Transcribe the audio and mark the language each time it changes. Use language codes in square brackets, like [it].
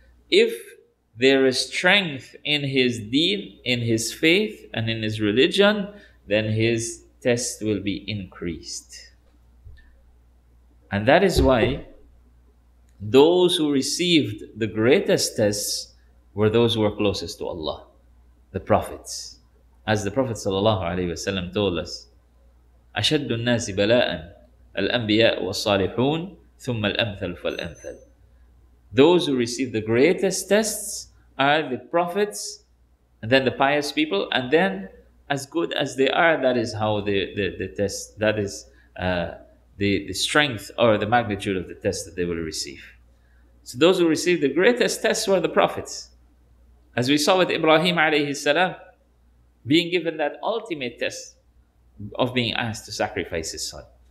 [en] If there is strength in his deen, in his faith, and in his religion, then his test will be increased. And that is why those who received the greatest tests were those who were closest to Allah, the prophets. As the Prophet sallallahu alaihi wasallam told us, [ar] أشد الناس بلاء الأنبياء والصالحون ثم الأمثل فالأمثل. [en] Those who received the greatest tests are the prophets, and then the pious people, and then as good as they are, that is how the strength or the magnitude of the test that they will receive. So those who received the greatest tests were the prophets. As we saw with Ibrahim alayhi salam, being given that ultimate test of being asked to sacrifice his son.